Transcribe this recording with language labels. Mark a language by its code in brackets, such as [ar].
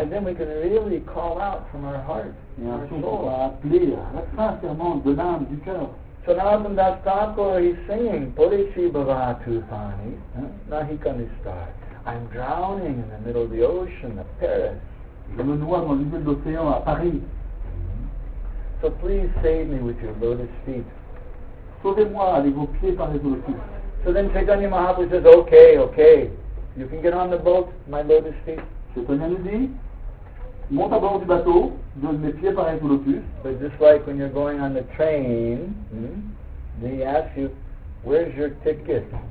[en] And then we can really call out from our heart. So now Abhimdas Thakur, he's singing, [bn] Purishi Bhava Tufani, Nahikanistar. [en] I'm drowning in the middle of the ocean of Paris. [fr] Je me noie dans le milieu de l'océan à Paris. [en] So please save me with your lotus feet. [fr] Sauvez-moi avec vos pieds par les [en] lotus feet. So then Chaitanya Mahaprabhu says, okay, you can get on the boat, my lotus feet. [fr] Chaitanya nous dit, monte à bord du bateau, de mes pieds paraissent au lotus. [en] But just like when you're going on the train, they ask you, where's your ticket?